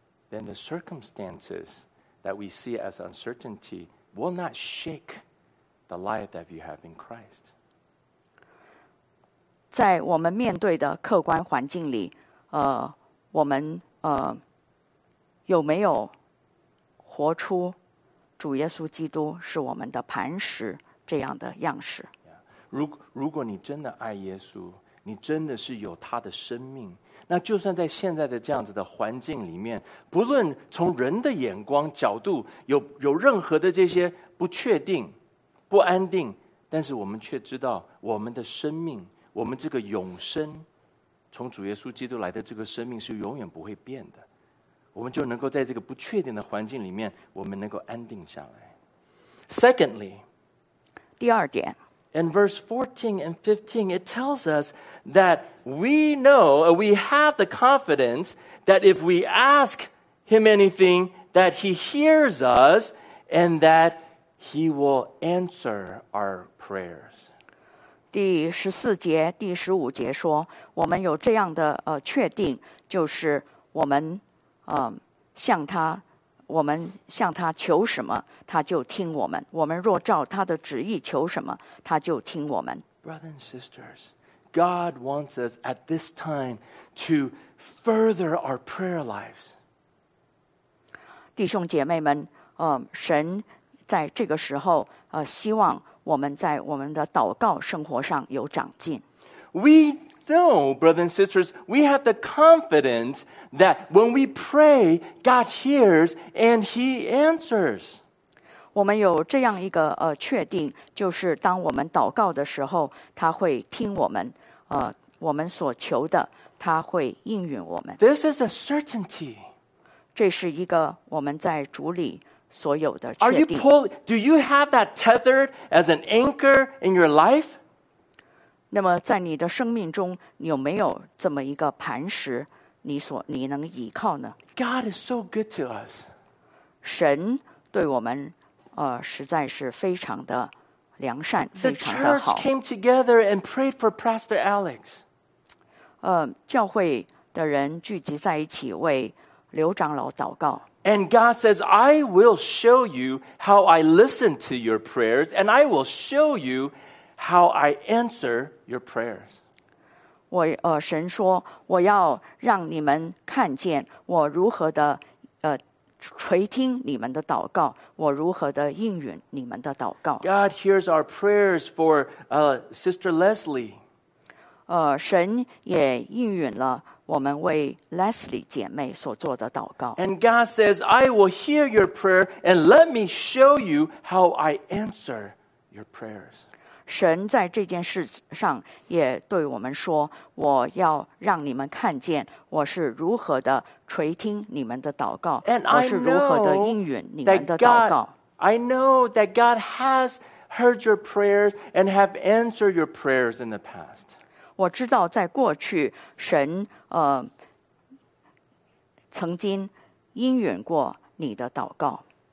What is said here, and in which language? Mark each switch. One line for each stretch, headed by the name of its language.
English: Then the circumstances that we see as uncertainty will not shake the life that you have in Christ.
Chinese: 在我们面对的客观环境里我们有没有活出主耶稣基督是我们的磐石这样的样式。
English: Yeah.
Chinese: 如果你真的爱耶稣，你真的是有他的生命，那就算在现在的这样子的环境里面，不论从人的眼光角度 有任何的这些不确定不安定，但是我们却知道我们的生命，我们这个永生，从主耶稣基督来的这个生命是永远不会变的，我们就能够在这个不确定的环境里面，我们能够安定下来。
English: Secondly，
Chinese: 第二点，
English: in verse 14 and 15, it tells us that we know, we have the confidence that if we ask him anything, that he hears us and that he will answer our prayers.
Chinese: 第十四节、第十五节说，我们有这样的确定，就是我们向他我们向他求什么，他就听我们。我们若照他的旨意求什么，他就听我们。
English: Brothers and sisters, God wants us at this time to further our prayer lives.
Chinese: 弟兄姐妹们，神在这个时候，希望我们在我们的祷告生活上有长进。
English: We know, brothers and sisters, we have the confidence that when we pray, God hears and he answers.
Chinese: 我们有这样一个确定，就是当我们祷告的时候，他会听我们，我们所求的，他会应允我们。
English: This is a certainty.
Chinese: 这是一个我们在主里所有的确定。
English: Are you pulling, do you have that tethered as an anchor in your life?
Chinese: 那么在你的生命中，你有没有这么一个磐石，你能依靠呢？
English: God is so good to us.
Chinese: 神对我们实在是非常的良善，非常的好。
English: The church came together and prayed for Pastor Alex.
Chinese: 教会的人聚集在一起为刘长老祷告。
English: And God says, I will show you how I listen to your prayers, and I will show you how I answer your prayers.
Chinese: 神说，我要让你们看见我如何的垂听你们的祷告，我如何的应允你们的祷告。
English: God hears our prayers for Sister Leslie.
Chinese: 神也应允了我们为 Leslie 姐妹所做的祷告。
English: And God says, I will hear your prayer and let me show you how I answer your prayers.
Chinese: 神在这件事上也对我们说，我要让你们看见我是如何的垂听你们的祷告，我是如何的应允你们的祷告。
English: I know that God has heard your prayers and have answered your prayers in the past.
Chinese: 我知道在过去神曾经应允过你的祷告。